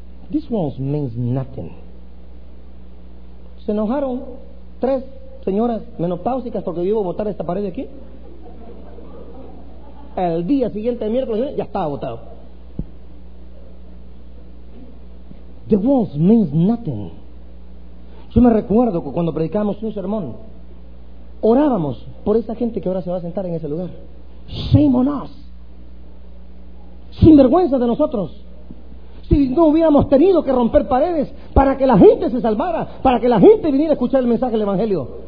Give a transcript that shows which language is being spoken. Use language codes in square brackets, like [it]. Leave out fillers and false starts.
[en] This one means nothing. [es] Se enojaron tres señoras menopáusicas porque yo iba a botar esta pared de aquí. El día siguiente, el miércoles, ya estaba botado. [en] The walls means nothing. [es] Yo me recuerdo que cuando predicábamos un sermón, orábamos por esa gente que ahora se va a sentar en ese lugar. [en] Shame on us. [es] Sin vergüenza de nosotros. Si no hubiéramos tenido que romper paredes para que la gente se salvara, para que la gente viniera a escuchar el mensaje del Evangelio.